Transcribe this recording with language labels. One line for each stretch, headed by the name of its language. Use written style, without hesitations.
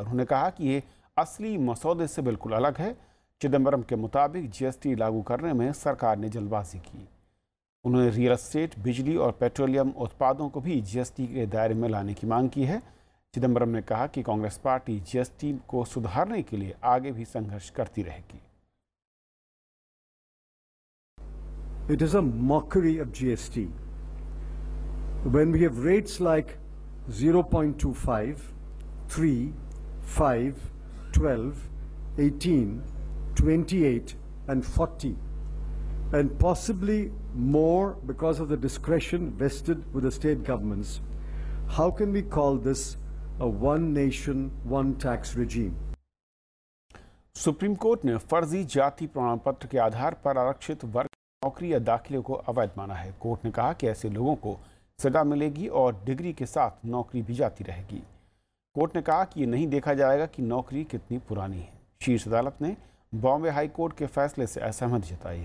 Hindi: उन्होंने कहा कि ये असली मसौदे से बिल्कुल अलग है। चिदंबरम के मुताबिक जीएसटी लागू करने में सरकार ने जल्दबाजी की। उन्होंने रियल एस्टेट, बिजली और पेट्रोलियम उत्पादों को भी जीएसटी के दायरे में लाने की मांग की है। चिदंबरम ने कहा कि कांग्रेस पार्टी जीएसटी को सुधारने के लिए आगे भी संघर्ष करती रहेगी।
English: It is a mockery of GST when we have rates like 0.25, 3, 5, 12, 18, 28 and 40 and possibly more because of the discretion vested with the state governments, how can we call this a one nation, one tax regime?
Hindi: Supreme court ने फर्जी जाति प्रमाण पत्र के आधार पर आरक्षित वर्ग नौकरी या दाखिले को अवैध माना है। कोर्ट ने कहा कि ऐसे लोगों को सजा मिलेगी और डिग्री के साथ नौकरी भी जाती रहेगी। कोर्ट ने कहा कि ये नहीं देखा जाएगा कि नौकरी कितनी पुरानी है। शीर्ष अदालत ने बॉम्बे हाई कोर्ट के फैसले से असहमति जताई।